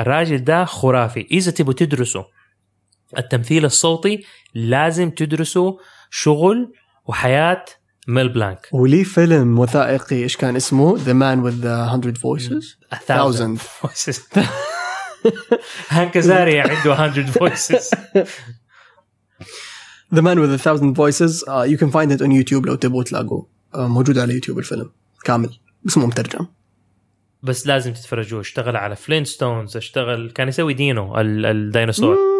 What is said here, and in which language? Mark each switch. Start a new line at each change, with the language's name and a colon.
Arabic: الراجل ده خرافي. إذا تبوا تدرسوا التمثيل الصوتي لازم تدرسوا شغل وحياة ميل بلانك. ولي فيلم وثائقي إيش كان اسمه The Man with the 100 Voices
English: A Thousand Voices Hank Azaria
Arabic: عنده
English: 100 Voices The Man with the 1000 Voices you can find it on YouTube
Arabic: لو تبوا تلاقوا موجود على يوتيوب الفيلم كامل اسمه مترجم بس لازم تتفرجوا. اشتغل على فلينستونز اشتغل كان يسوي دينو الديناصور